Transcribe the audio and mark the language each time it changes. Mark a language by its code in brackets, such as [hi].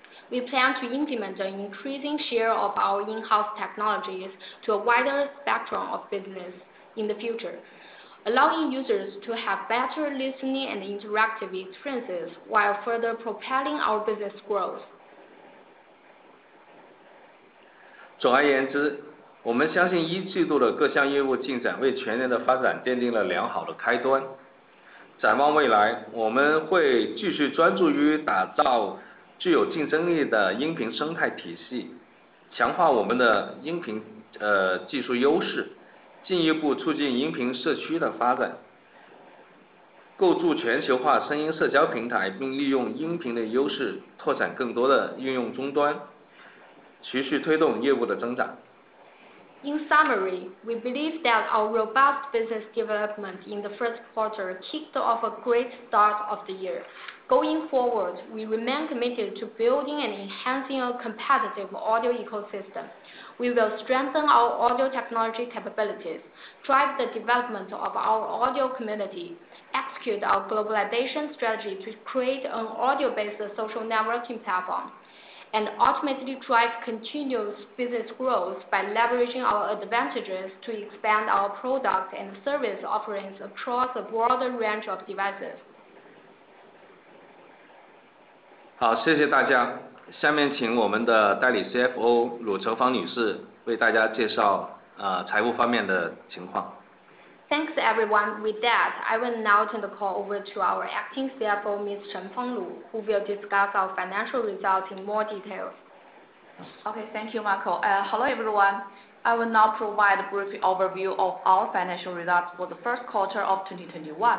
[en] We plan to implement an increasing share of our in-house technologies to a wider spectrum of business in the future, allowing users to have better listening and interactive experiences while further propelling our business growth. [zh] 总而言之，我们相信一季度的各项业务进展为全年的发展奠定了良好的开端。展望未来，我们会继续专注于打造具有竞争力的音频生态体系，强化我们的音频技术优势，进一步促进音频社区的发展，构筑全球化声音社交平台，并利用音频的优势拓展更多的应用终端，持续推动业务的增长。 [en] In summary, we believe that our robust business development in the first quarter kicked off a great start of the year. Going forward, we remain committed to building and enhancing a competitive audio ecosystem. We will strengthen our audio technology capabilities, drive the development of our audio community, execute our globalization strategy to create an audio-based social networking platform,and ultimately drive continuous business growth by leveraging our advantages to expand our product and service offerings across a broader range of devices. [zh] 好，谢谢大家。下面请我们的代理 CFO 鲁成芳女士为大家介绍财务方面的情况。 [en] Thanks everyone. With that, I will now turn the call over to our acting CFO, Ms. Chen Fenglu, who will discuss our financial results in more detail. Okay, thank you, Marco. Hello everyone. I will now provide a brief overview of our financial results for the first quarter of 2021.